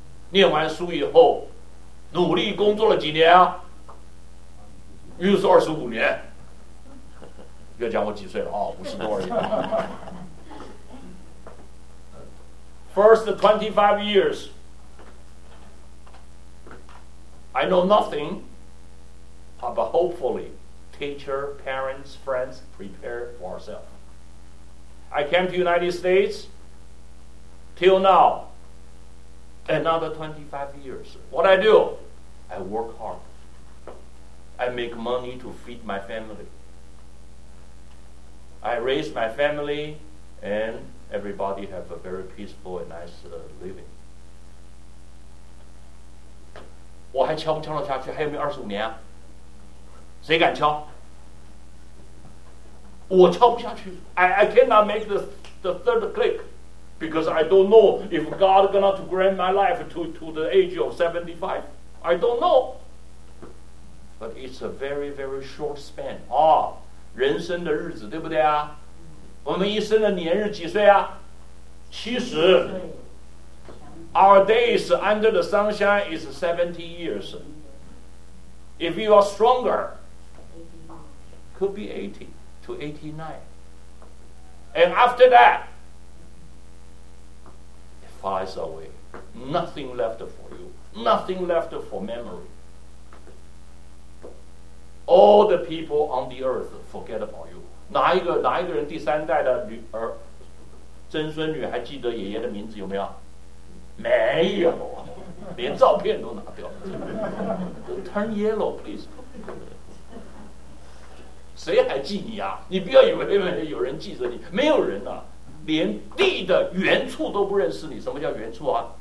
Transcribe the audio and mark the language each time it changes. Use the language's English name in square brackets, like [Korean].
[Chinese] 念完书以后努力工作了几年啊，又是25年，要讲我几岁了啊，50多而已。 [English] First 25 years I know nothing， but hopefullyteacher, parents, friends prepare for ourselves. I came to United States till now another 25 years. What I do? I work hard. I make money to feed my family. I raise my family and everybody have a very peaceful and nice living. [Chinese] 我还敲不敲得下去？还有没有25年？谁敢敲？我敲不下去， [English] I cannot make the third click because I don't know if God gonna to grant my life to the age of 75. I don't know. But it's a very, very short span. [Chinese] 哦，人生的日子，对不对啊？我们一生的年日几岁啊？七十。 [English] Our days under the sunshine is 70 years. If you are stronger, could be 80 to 89. And after that, it flies away. Nothing left for you. Nothing left for memory. All the people on the earth forget about you. [Chinese] 哪一个人第三代的女儿曾孙女还记得爷爷的名字有没有？没有，连照片都拿掉了。 [English] Turn yellow, please. [Chinese] 谁还记你啊？你不要以为有人记着你，没有人啊，连地的原处都不认识你。什么叫原处啊？